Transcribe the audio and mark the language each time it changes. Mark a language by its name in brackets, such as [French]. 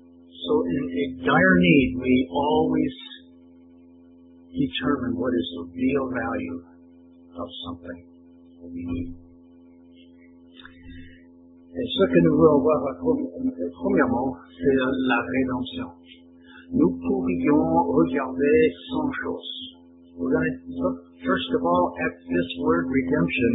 [English] So in a dire need, we always determine what is the real value of something that we need. [French] Et ce que nous voulons voir premièrement, c'est la rédemption. Nous pourrions regarder 100 choses. [English] We're going to look, first of all, at this word redemption.